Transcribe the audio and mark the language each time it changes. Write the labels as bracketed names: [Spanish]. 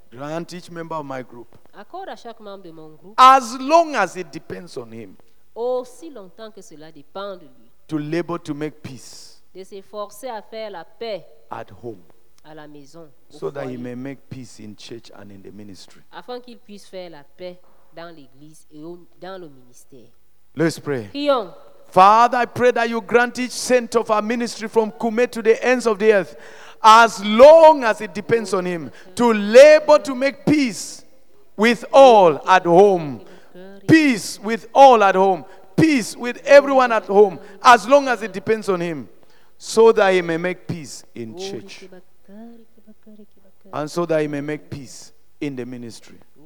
[English] grant each member of my group, [French] accorde à chaque membre de mon groupe, [English] as long as it depends on him, [French] aussi longtemps que cela dépend de lui, [English] to labor to make peace, [French] de se forcer à faire la paix, [English] at home, [French] à la maison, [English] so that he may make peace in church and in the ministry, [French] afin qu'il puisse faire la paix dans l'église et dans le ministère. [English] Let's pray. [French] Prions. [English] Father, I pray that you grant each saint of our ministry from Kume to the ends of the earth, as long as it depends on him, to labor to make peace with all at home. Peace with all at home. Peace with everyone at home, as long as it depends on him, so that he may make peace in church, and so that he may make peace in the ministry.